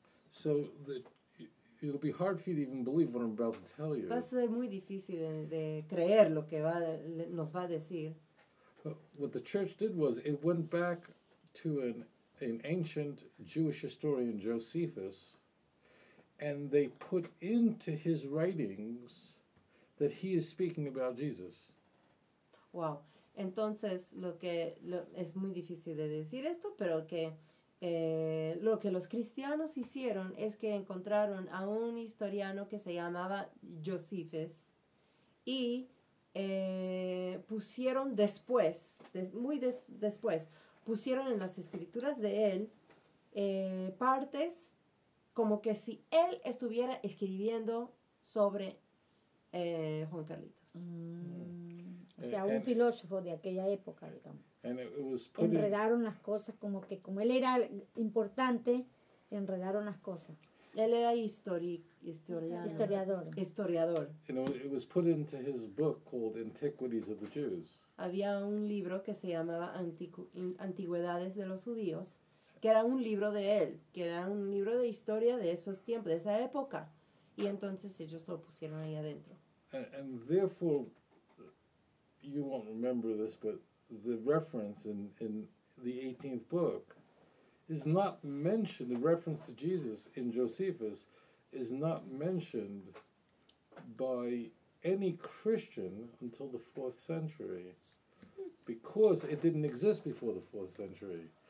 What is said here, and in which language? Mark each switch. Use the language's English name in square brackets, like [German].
[English] So it'll be hard for you to even believe what I'm about to tell you. [Spanish] Va a ser muy difícil de creer lo que nos va a decir. [English] What the church did was it went back to an ancient Jewish historian, Josephus, and they put into his writings that he is speaking about Jesus. Wow. [Spanish] Entonces, es muy difícil de decir esto, pero que lo que los cristianos hicieron es que encontraron a un historiano que se llamaba Josephus y pusieron después, después, pusieron en las escrituras de él partes como que si él estuviera escribiendo sobre Juan Carlitos. Mm. O sea, un filósofo de aquella época, digamos. Enredaron las cosas como él era importante, enredaron las cosas. Él era historiador. Historiador. [English] It was put into his book called Antiquities of the Jews. [Spanish] Había un libro que se llamaba Antigüedades de los Judíos, que era un libro de él, que era un libro de historia de esos tiempos, de esa época. Y entonces ellos lo pusieron ahí adentro. [English] And therefore, you won't remember this, but the reference in the 18th book is not mentioned. The reference to Jesus in Josephus is not mentioned by any Christian until the 4th century, because it didn't exist before the 4th century.